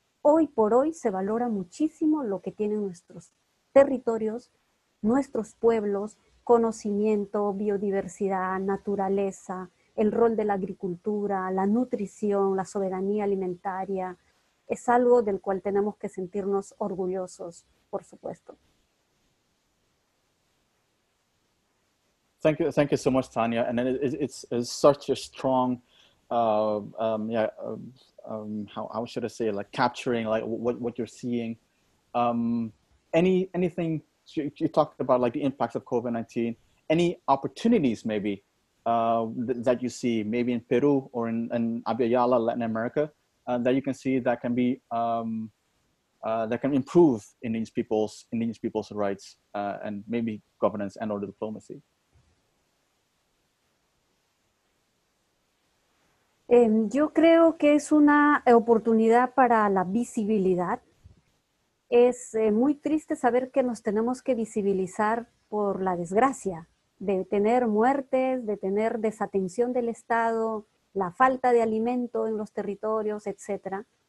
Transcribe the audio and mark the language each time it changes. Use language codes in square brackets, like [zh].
[es] Hoy por hoy se valora muchísimo lo que tienen nuestros territorios, nuestros pueblos, conocimiento, biodiversidad, naturaleza, el rol de la agricultura, la nutrición, la soberanía alimentaria. Es algo del cual tenemos que sentirnos orgullosos, por supuesto. [en] Thank you so much, Tanya. And it's such a strong, how should I say, like capturing like what you're seeing. Anything you talked about, like the impacts of COVID-19, any opportunities maybe that you see maybe in Peru or in Abiyala, Latin America, that you can see that can be that can improve Indigenous people's rights and maybe governance and or diplomacy. [es] Yo creo que es una oportunidad para la visibilidad. Es muy triste saber que nos tenemos que visibilizar por la desgracia de tener muertes, de tener desatención del Estado, la falta de alimento en los territorios, etc.